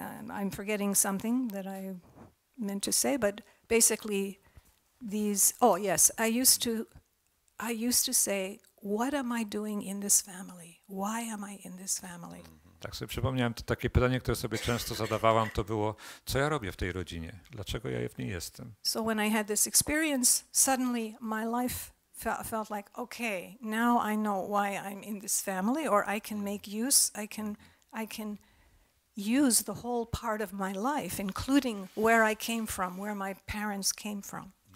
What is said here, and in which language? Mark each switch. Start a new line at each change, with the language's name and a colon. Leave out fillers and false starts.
English: I'm forgetting something that I meant to say, but basically these, oh yes, I used to say, what am I doing in this family? Why am I in this family?
Polish: Tak sobie przypomniałem, to takie pytanie, które sobie często zadawałam, to było, co ja robię w tej rodzinie? Dlaczego ja w niej jestem?
English: So when I had this experience, suddenly my life felt like, okay, now I know why I'm in this family, or I can use the whole part of my life, including where I came from, where my parents came from.